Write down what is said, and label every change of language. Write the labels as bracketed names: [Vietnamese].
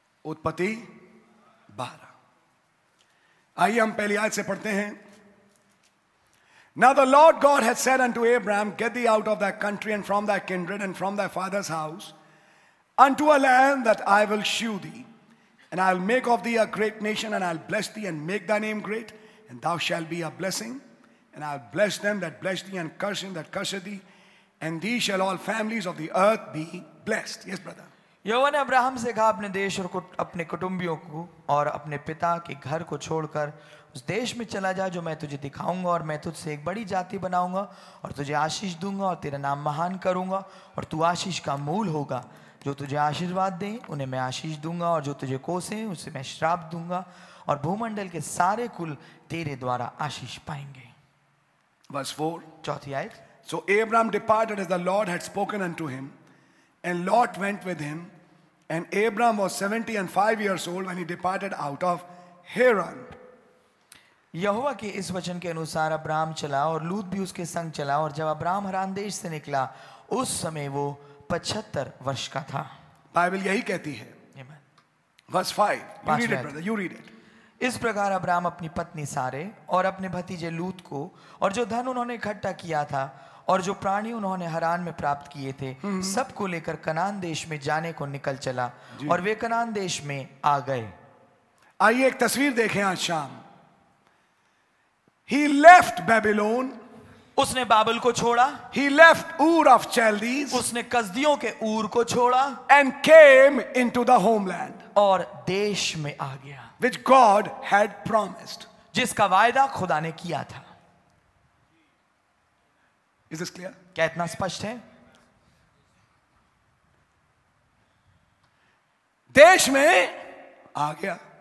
[Hindi] उत्पत्ति 12, आइए हम पहली आयत से पढ़ते हैं. [English] Now the Lord God had said unto Abraham, Get thee out of thy country and from thy kindred and from thy father's house unto a land that I will shew thee, and I'll make of thee a great nation, and I'll bless thee and make thy name great, and thou shalt be a blessing, and I'll bless them that bless thee and curse him that curseth thee, and thee shall all families of the earth be blessed. Yes, brother. [Hindi] यहोवा ने Abraham से कहा अपने देश और अपने कुटुंबियों को और अपने पिता के घर को छोड़कर उस देश में चला जा जो मैं तुझे दिखाऊंगा, और मैं तुझसे एक बड़ी जाति बनाऊंगा और तुझे आशीष दूंगा और तेरा नाम महान करूंगा और तू आशीष का मूल होगा. जो तुझे आशीर्वाद दें उन्हें मैं आशीष दूंगा, और जो तुझे कोसें उसे मैं श्राप दूंगा, और भूमंडल के सारे कुल तेरे द्वारा आशीष पाएंगे. [English] Verse 4, [Hindi] चौथी आयत. [English] So Abraham departed as the Lord had spoken unto him, and Lot went with him, and Abraham was 75 years old when he departed out of Haran. [Hindi] यहोवा के इस वचन के अनुसार अब्राम चला और लूत भी उसके संग चला, और जब अब्राम हरान देश से निकला उस समय वो 75 वर्ष का था. बाइबल यही कहती है. [English] Amen. Verse 5, you read it, brother. You read it. [Hindi] इस प्रकार अब्राम अपनी पत्नी सारे और अपने भतीजे लूत को और जो धन उन्होंने इकट्ठा किया था और जो प्राणी उन्होंने हरान में प्राप्त किए थे सबको लेकर कनान देश में जाने को निकल चला और वे कनान देश में आ गए. आइए एक तस्वीर देखें आज शाम. [English] He left Babylon. [Hindi] उसने बाबल को छोड़ा. [English] He left Ur of Chaldees. [Hindi] उसने कसदियों के ऊर को छोड़ा. [English] And came into the homeland. [Hindi] और देश में आ गया. [English] Which God had promised. [Hindi] जिसका वायदा खुदा ने किया था. [English] Is this clear? [Hindi] क्या इतना स्पष्ट है? देश में आ गया.